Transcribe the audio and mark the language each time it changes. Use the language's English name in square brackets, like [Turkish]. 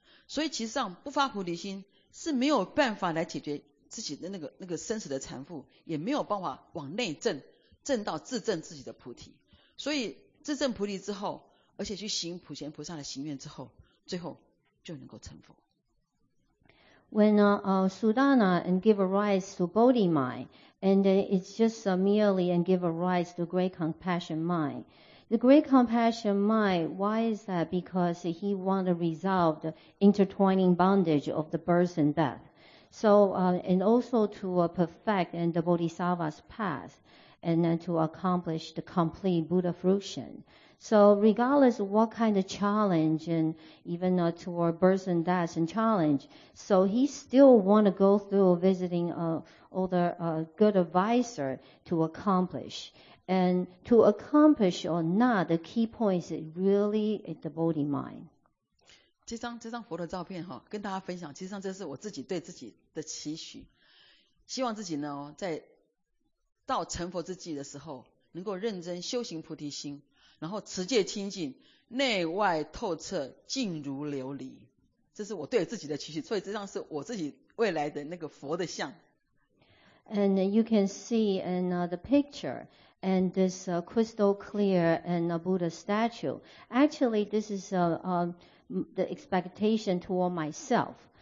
[Chinese] 所以其实上不发菩提心是没有办法来解决自己的那个生死的缠缚，也没有办法往内证到自证自己的菩提。所以自证菩提之后，而且去行普贤菩萨的行愿之后，最后就能够成佛。 [English] When Sudana and give a rise to Bodhi mind, and it's just merely and give a rise to great compassion mind. The great compassion mind, why is that? Because he want to resolve the intertwining bondage of the birth and death. So, and also to perfect and the Bodhisattva's path, and then to accomplish the complete Buddha fruition. So regardless of what kind of challenge and even toward birth and death and challenge, so he still want to go through visiting all the good advisor to accomplish. And to accomplish or not, the key point is really the Bodhi mind. [Chinese] 这张佛的照片哈，跟大家分享，其实上这是我自己对自己的期许，希望自己呢在到成佛之际的时候能够认真修行菩提心，然后持戒清净，内外透彻，净如琉璃。这是我对自己的期许，所以这张是我自己未来的那个佛的像。 [English] And you can see in the picture, and this crystal clear and a Buddha statue. Actually, this is the expectation toward myself.